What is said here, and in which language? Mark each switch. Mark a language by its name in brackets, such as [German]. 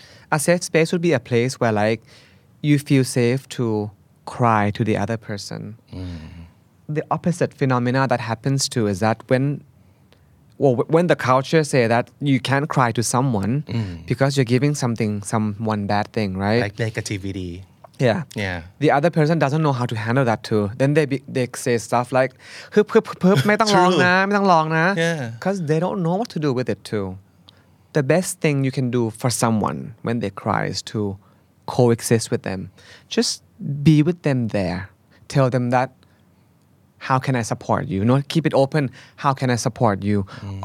[English] A safe space would be a place where like you feel safe to cry to the other person. The opposite phenomena that happens too is that when the culture say that you can't cry to someone because you're giving something, someone bad thing, right? Like negativity. Yeah. Yeah. The other person doesn't know how to handle that too. Then they say stuff like, hup, hup, hup, hup, [Thai] ไม่ต้องร้องนะ ไม่ต้องร้องนะ [English] Yeah. Because they don't know what to do with it too. The best thing you can do for someone when they cry is to coexist with them. Just be with them there. Tell them that, how can I support you? No, keep it open. How can I support you? Mm.